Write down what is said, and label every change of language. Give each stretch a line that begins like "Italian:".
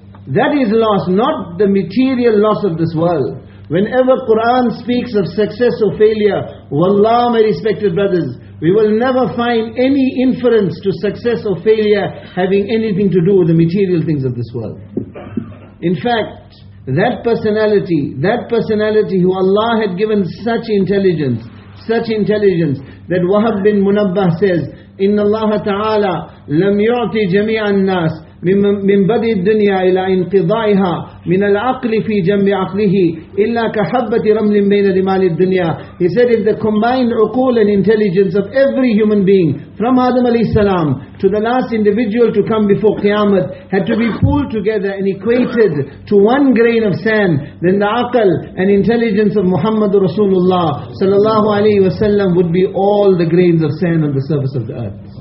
English: That is loss, not the material loss of this world. Whenever Quran speaks of success or failure, wallah, my respected brothers, we will never find any inference to success or failure having anything to do with the material things of this world. In fact, that personality who Allah had given such intelligence, that Wahab bin Munabbah says,
Arabic: إِنَّ اللَّهَ تَعَالَى لَمْ يُعْتِ جَمِيعَ النَّاسِ مِنْ بَدِي الدُّنْيَا إِلَىٰ إِنْقِضَائِهَا مِنَ الْعَقْلِ فِي جَمِّ عَقْلِهِ إِلَّا كَحَبَّةِ رَمْلٍ بَيْنَ رِمَالِ الدُّنْيَا.
English: He said, if the combined uqul and intelligence of every human being from Adam alayhi salam to the last individual to come before Qiyamah had to be pulled together and equated to one grain of sand, then the aql and intelligence of Muhammad Rasulullah sallallahu alayhi wa sallam would be all the grains of sand on the surface of the earth.